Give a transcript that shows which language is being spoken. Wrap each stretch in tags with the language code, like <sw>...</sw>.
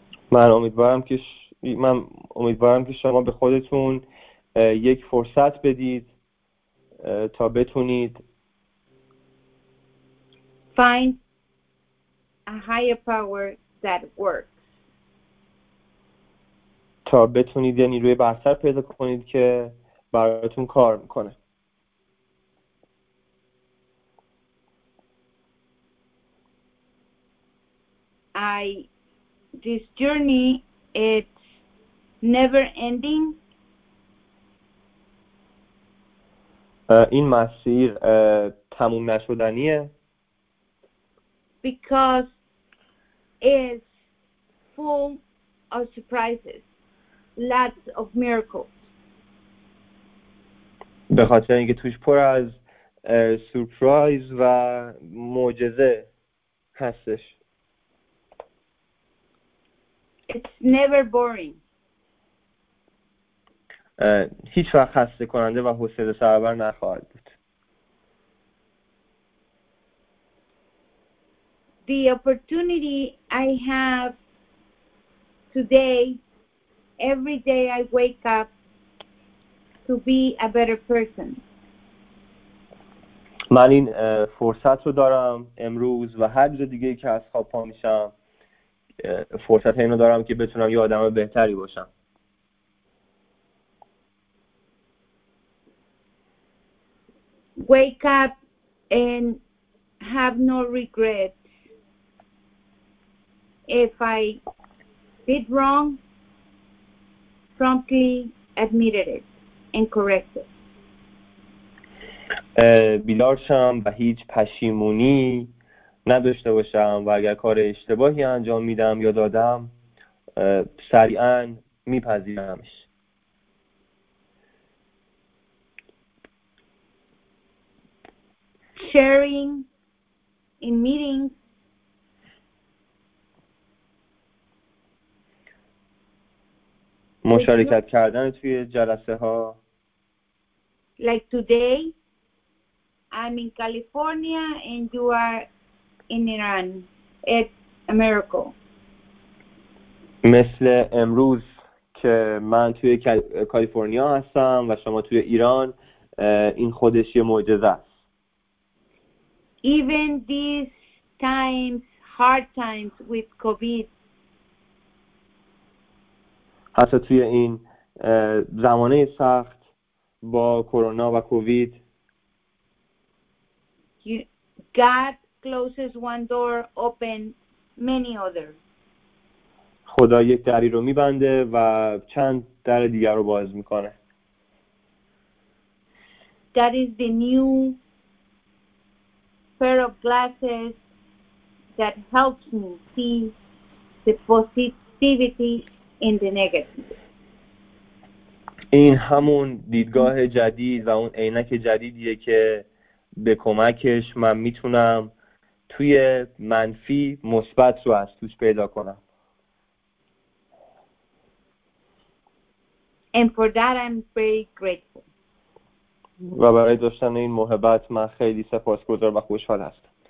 <fa>من امیدوارم که من امیدوارم که شما به خودتون یک فرصت بدید تا بتونید</fa> <en>find a higher power that works.</en> <fa>تا بتونید یه نیروی برتر پیدا کنید که براتون کار میکنه.</fa> <en>This journey, it's never ending.</en> <fa>این مسیر تموم نشدنیه.</fa> <en>Because it's full of surprises, lots of miracles.</en> <fa>به خاطر اینکه توش پر از سورپرایز و معجزه هستش.</fa> <en>It's never boring.</en> <fa>هیچ وقت خسته کننده و حوصله سربر نخواهد بود.</fa> <en>The opportunity I have today, every day I wake up, to be a better person.</en> <fa>من این فرصت رو دارم امروز و هر روز دیگه که از خواب پا میشم فرصت اینو دارم که بتونم یه آدم بهتری باشم.</fa> <en>Wake up and have no regrets. If I did wrong, promptly admitted it and corrected.</en> <fa>بیدار شم و هیچ پشیمونی نداشته باشم و اگر کار اشتباهی انجام میدم یا دادم سریعا میپذیرمش.</fa> <en>Sharing in meetings.</en> <fa>مشارکت کردن توی جلسه ها.</fa> <en>Like today, I'm in California and you are in Iran. It's a miracle.</en> <fa>مثل امروز که من توی کالیفرنیا هستم و شما توی ایران، این خودش یه معجزه است.</fa> <en>Even these times, hard times with COVID.</en> <fa>حتی توی این زمانه سخت با کرونا و کووید.</fa> <en>God closes one door, open many others.</en> <fa>خدا یک دری رو می‌بنده و چند در دیگر رو باز می‌کنه.</fa> <en>That is the new pair of glasses that helps me see the positivity in the negative.</en> <fa>این همون دیدگاه جدید و اون عینک جدیدیه که به کمکش من میتونم توی منفی مثبت رو از توش پیدا کنم.</fa> <en>And for that I'm very grateful.</en> <fa>و برای داشتن این محبت من خیلی سپاسگزار و خوشحال هستم.</fa>